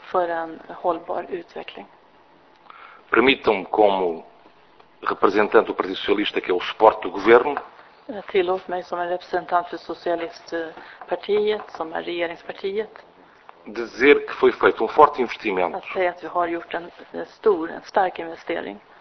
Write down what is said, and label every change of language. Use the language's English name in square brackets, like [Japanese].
[Swedish] För en hållbar utveckling. [Portuguese] Permitam-me, como representante do Partido Socialista, que é o suporte do governo, [Swedish] tillåt mig som en representant för Socialistpartiet, som är regeringspartiet, [Portuguese] dizer que foi feito um forte investimento. [Swedish] Att säga att vi har gjort en stark investering.